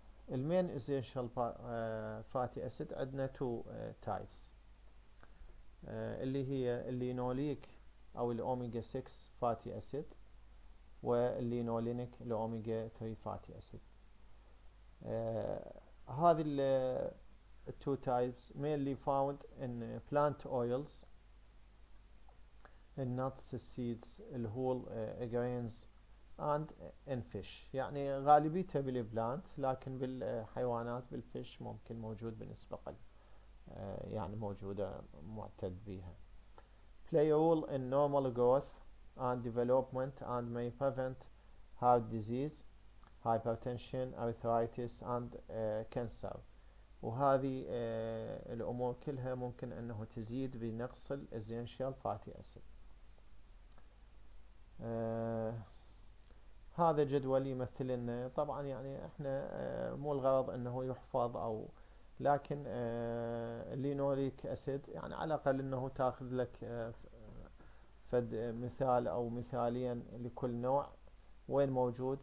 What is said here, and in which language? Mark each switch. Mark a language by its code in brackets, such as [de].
[ar] المين اسينشال فاتي اسيد عندنا تو تايبس، اللي هي اللينوليك او الاوميجا 6 فاتي اسيد، واللينولينك الاوميجا 3 فاتي اسيد. هذه [en] التو types mainly found in plant oils, in nuts, seeds, whole grains and in fish. [ar] يعني غالبيتها بالبلانت، لكن بالحيوانات بالفيش ممكن موجود بنسبة قليلة، يعني موجودة معتد بها. [en] play a role in normal growth and development and may prevent heart disease, hypertension, arthritis and cancer. [ar] وهذه الأمور كلها ممكن أنه تزيد بنقص الـ essential fatty acid. هذا جدول يمثل أنه طبعا يعني احنا مو الغرض أنه يحفظ أو، لكن لينوليك أسيد يعني على الأقل أنه تاخذ لك فد مثال او مثاليا لكل نوع وين موجود.